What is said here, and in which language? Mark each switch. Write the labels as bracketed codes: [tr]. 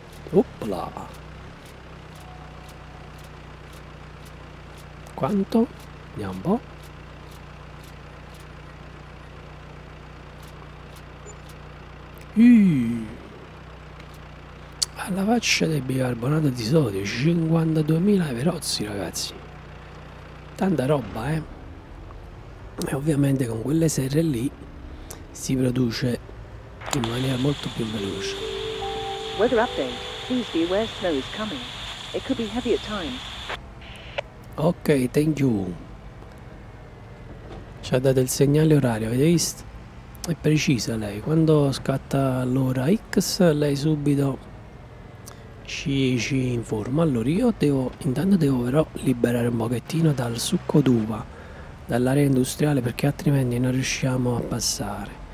[it] Uppla, quanto, vediamo un po', alla faccia del bicarbonato di sodio, 52.000 verozzi, ragazzi, tanta roba, e ovviamente con quelle serre lì si produce in maniera molto più veloce. [en] Weather update. Please be aware snow is coming. It could be heavy at times. Ok, thank you. [it] Ci ha dato il segnale orario, avete visto? È precisa lei. Quando scatta l'ora X, lei subito ci informa. Allora, io intanto devo però liberare un pochettino dal succo d'uva, dall'area industriale, perché altrimenti non riusciamo a passare.